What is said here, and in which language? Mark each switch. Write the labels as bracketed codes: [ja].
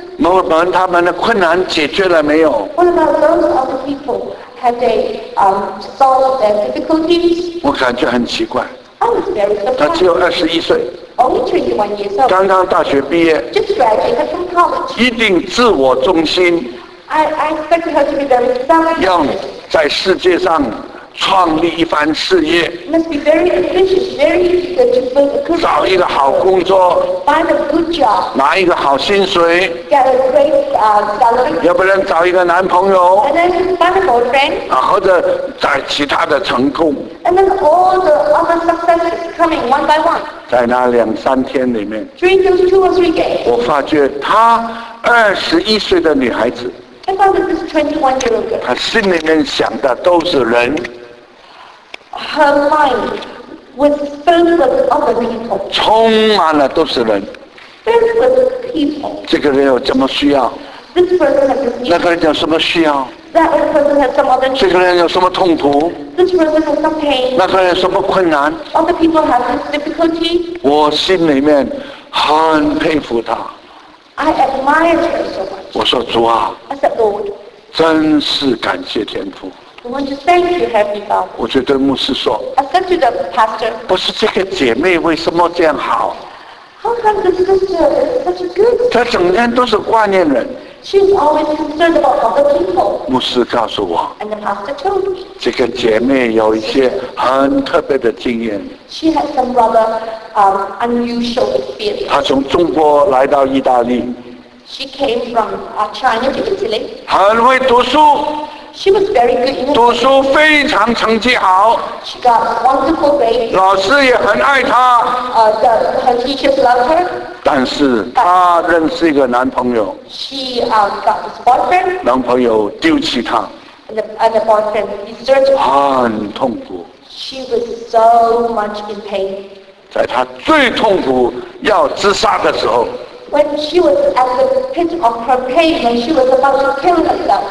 [zh] 某人他们的困难解决了没有 [en] ？What about those other people? Have they solved their difficulties? [zh] 我感觉很奇怪。 [en] I was very surprised. [zh] 他只有21岁 [en] Only 21 years old. [zh] 刚刚大学毕业 [en] Just graduated from college. [zh] 一定自我中心 [en] I expect her to be very selfish. [zh] 要在世界上创立一番事业 [en] Must be very ambitious, very eager to [zh] 找一个好工作 [en] find a good job, [zh] 拿一个好薪水 [en] get a great, salary, [zh] 要不然找一个男朋友 [en] and then find a boyfriend, [zh] 或者找其他的成功 [en] and then all the other successes coming one by one. [zh] 在那两三天里面 [en] During those two or three days, [zh] 我发觉她二十一岁的女孩子 [en] I found this 21 year old girl, [zh] 她心里面想的都是人 [en] Her mind was filled with other people, [zh] 充满了都是人 [en] filled with people, [zh] 这个人有什么需要 [en] this person has this need, [zh] 那个人有什么需要 [en] that person has some other need, [zh] 这个人有什么痛苦 [en] This person has some pain. [zh] 那个人什么困难 [en] Other people have this difficulty. [zh] 我心里面很佩服他 [en] I admire her so much. [zh] 我说主啊 [en] I said Lord. [zh] 真是感谢天父 [en] I want to thank you, Heavenly Father. [zh] 我就对牧师说 [en] I said to the pastor. [zh] 不是这个姐妹为什么这样好 [en] How come the sister is such a good? [zh] 她整天都是挂念人 [en] She's always concerned about other people. [zh] 牧师告诉我 [en] And the pastor told me. [zh] 这个姐妹有一些很特别的经验 [en] She had some rather, unusual experience. [zh] 她从中国来到意大利 [en] She came from, China to Italy. [zh] 很会读书 [en] She was very good. [zh] 读书非常成绩好 [en] She got wonderful grades. [zh] 老师也很爱她 [en] Her teachers loved her. [zh] 但是她认识一个男朋友 [en] She, got his boyfriend, [zh] 男朋友丢弃她 [en] and the boyfriend deserted her. [zh] 很痛苦 [en] She was so much in pain. [zh] 在她最痛苦要自杀的时候 [en] When she was at the pit of her pain and she was about to kill herself,